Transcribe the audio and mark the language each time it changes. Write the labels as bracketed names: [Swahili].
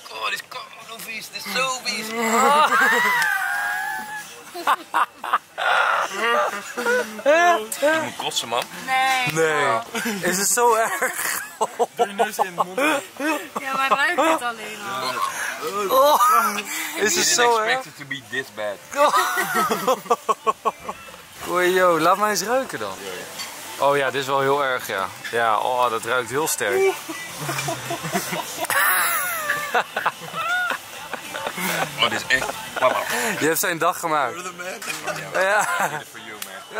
[Dutch] Oh, dit is koud, hoe vies. Dit is zo vies. Ik moet kotsen, man. Nee. Is het zo erg? Ja, maar ruikt het alleen al. Oh. Is het zo erg? [English] I didn't expect it to be this bad. [Dutch] Yo, laat mij eens ruiken dan. Oh ja, dit is wel heel erg, ja. Ja, oh, dat ruikt heel sterk. Maar dit is echt... Je hebt zijn dag gemaakt. [English] You're the man. [Dutch] Ja. [English] For you, man.